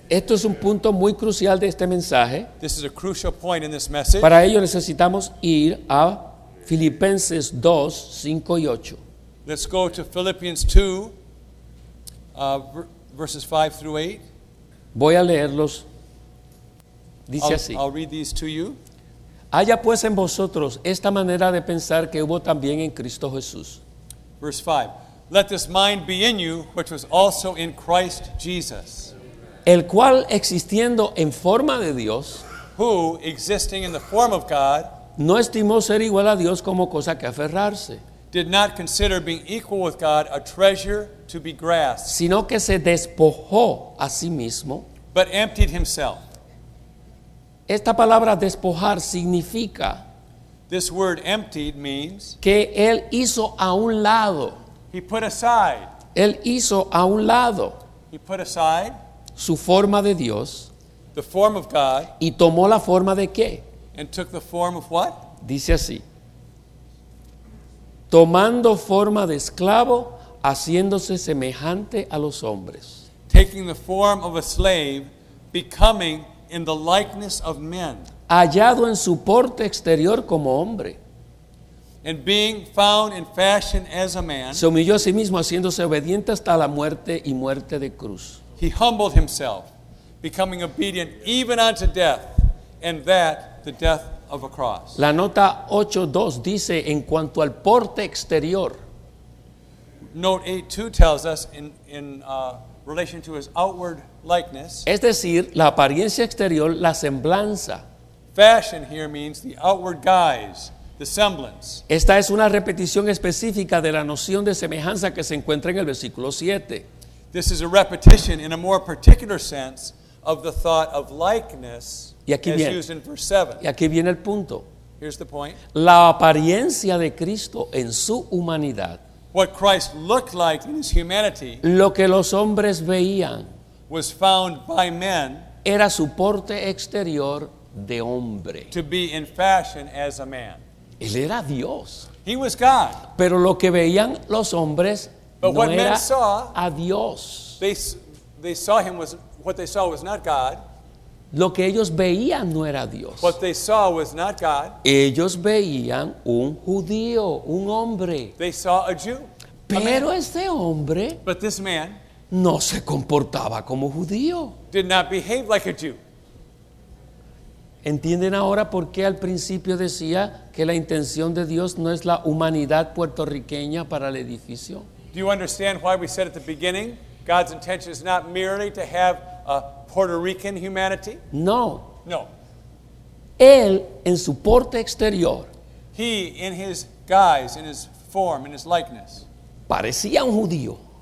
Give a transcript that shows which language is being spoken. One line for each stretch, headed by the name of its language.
Spanish: Esto es un punto muy crucial de este mensaje.
English: This is a crucial point in this message.
Spanish: Para ello necesitamos ir a Filipenses 2, 5 y 8.
English: Let's go to Philippians 2, verses 5 through 8.
Spanish: Voy a leerlos. Dice así.
English: I'll read these to you.
Spanish: Haya pues en vosotros esta manera de pensar que hubo también en Cristo Jesús.
English: Verse 5. Let this mind be in you, which was also in Christ Jesus.
Spanish: El cual existiendo en forma de Dios,
English: who existing in the form of God,
Spanish: no estimó ser igual a Dios como cosa que aferrarse,
English: did not consider being equal with God a treasure to be grasped,
Spanish: sino que se despojó a sí mismo,
English: but emptied himself.
Spanish: Esta palabra despojar significa,
English: this word emptied means,
Spanish: que él hizo a un lado.
English: He put aside.
Spanish: Él hizo a un lado.
English: He put aside.
Spanish: Su forma de Dios.
English: The form of God.
Spanish: Y tomó la forma de qué.
English: And took the form of what?
Spanish: Dice así. Tomando forma de esclavo, haciéndose semejante a los hombres.
English: Taking the form of a slave, becoming in the likeness of men.
Spanish: Hallado en su porte exterior como hombre.
English: And being found in fashion as a man,
Spanish: se humilló a sí mismo haciéndose obediente hasta la muerte y muerte de cruz.
English: He humbled himself, becoming obedient even unto death, and that the death of a cross.
Spanish: La nota 8:2 dice en cuanto al porte exterior.
English: Note 8:2 tells us in relation to his outward likeness.
Spanish: Es decir, la apariencia exterior, la semblanza.
English: Fashion here means the outward guise. The semblance.
Spanish: Esta es una repetición específica de la noción de semejanza que se encuentra en el versículo 7.
English: This is a repetition in a more particular sense of the thought of likeness as
Spanish: viene,
English: used in verse 7.
Spanish: Y aquí viene el punto.
English: Here's the point.
Spanish: La apariencia de Cristo en su humanidad.
English: What Christ looked like in his humanity.
Spanish: Lo que los hombres veían.
English: Was found by men.
Spanish: Era su porte exterior de hombre.
English: To be in fashion as a man.
Spanish: Él era Dios.
English: He was God.
Spanish: Pero lo que veían los hombres
English: but
Spanish: no
English: what
Spanish: era
English: men saw,
Spanish: a Dios.
English: They saw him was, what they saw was not God.
Spanish: Lo que ellos veían no era Dios.
English: What they saw was not God.
Spanish: Ellos veían un judío, un hombre.
English: They saw a Jew.
Spanish: Pero ese hombre,
English: but this man,
Spanish: no se comportaba como judío.
English: Did not behave like a Jew.
Spanish: ¿Entienden ahora por qué al principio decía que la intención de Dios no es la humanidad puertorriqueña para el edificio?
English: Do you understand why we said at the beginning God's intention is not merely to have a Puerto Rican humanity?
Spanish: No.
English: No.
Spanish: Él en su porte exterior.
English: He in his guise, in his form, in his likeness.
Spanish: Parecía un judío.